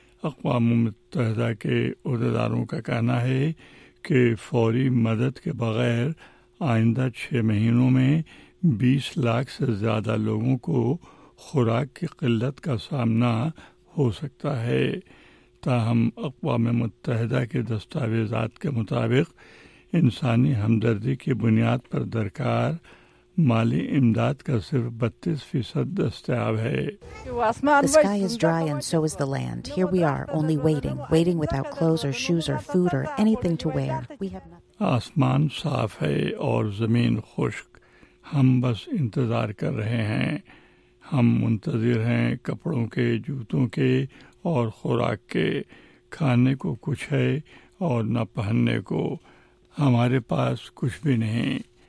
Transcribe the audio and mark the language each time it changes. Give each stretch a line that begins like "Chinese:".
Urdu: اقوام متحدہ کے عہدیداروں کا کہنا ہے کہ فوری مدد کے بغیر آئندہ 6 مہینوں میں 20 لاکھ سے زیادہ لوگوں کو خوراک کی قلت کا سامنا ہو سکتا ہے. تاہم اقوام متحدہ کے دستاویزات کے مطابق انسانی ہمدردی کی بنیاد پر درکار مالی امداد کا صرف 32% دستیاب ہے.
English: The sky is dry and so is the land. Here we are, only waiting, waiting without clothes or shoes or food or anything to wear.
Urdu: آسمان صاف ہے اور زمین خشک. ہم بس انتظار کر رہے ہیں. ہم منتظر ہیں کپڑوں کے, جوتوں کے اور خوراک کے. کھانے کو کچھ ہے اور نہ پہننے کو. ہمارے پاس کچھ بھی نہیں.